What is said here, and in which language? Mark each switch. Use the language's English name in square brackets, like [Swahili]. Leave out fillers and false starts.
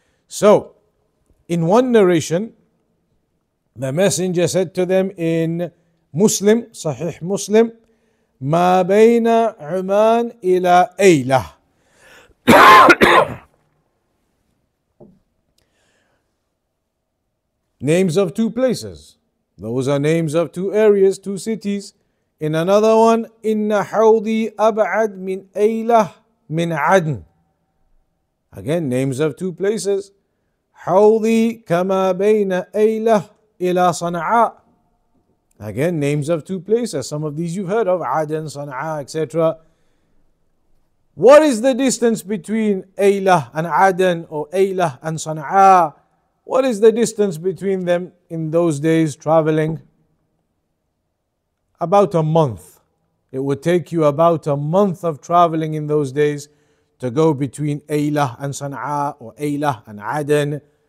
[English] So, in one narration, the messenger said to them in Muslim, Sahih Muslim, [Arabic] مَا بَيْنَ عُمَانِ إِلَىٰ أَيْلَهِ [English] Names of two places. Those are names of two areas, two cities. In another one, [Arabic] إِنَّ حَوْضِي أَبْعَدْ مِنْ أَيْلَهِ مِنْ عَدْنِ [English] Again, names of two places. [Arabic] حَوْضِي كَمَا بَيْنَ أَيْلَهِ إِلَىٰ صَنْعَىٰ [English] Again, names of two places. Some of these you've heard of, عَدْن, صَنْعَىٰ, etc. What is the distance between أَيْلَهِ and عَدْن, or أَيْلَهِ and صَنْعَىٰ? What is the distance between them in those days traveling? About a month. It would take you about a month of traveling in those days to go between Aylah and Sana'a, or Aylah and Aden.